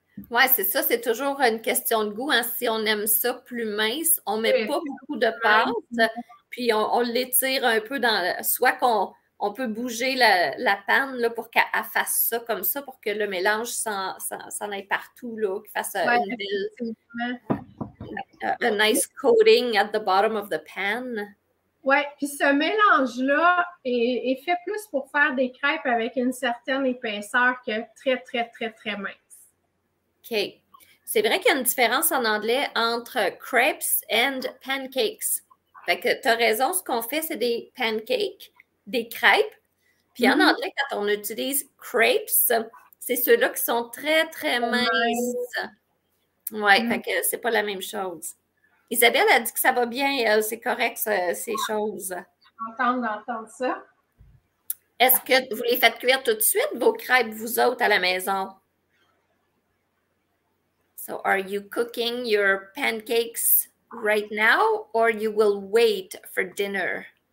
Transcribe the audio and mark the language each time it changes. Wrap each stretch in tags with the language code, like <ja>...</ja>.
<fr>Oui, c'est ça, c'est toujours une question de goût. Hein. Si on aime ça plus mince, on ne met pas beaucoup de pâte, puis on l'étire un peu dans. Soit qu'on on peut bouger la panne là, pour qu'elle fasse ça comme ça, pour que le mélange s'en aille partout, là, qu'il fasse ouais, une belle...</fr> <en>A nice coating at the bottom of the pan.</en> <fr>Ouais, puis ce mélange-là est fait plus pour faire des crêpes avec une certaine épaisseur que très, très, très, très mince. OK. C'est vrai qu'il y a une différence en anglais entre crepes and pancakes. Fait que t'as raison, ce qu'on fait, c'est des pancakes, des crêpes. Puis en anglais, quand on utilise crepes, c'est ceux-là qui sont très, très minces. Ouais, fait que c'est pas la même chose. Isabelle a dit que ça va bien, elle, c'est correct, ces choses. J'entends d'entendre ça. Est-ce que vous les faites cuire tout de suite, vos crêpes, vous autres, à la maison?</fr> <en>So, are you cooking your pancakes right now or you will wait for dinner?</en>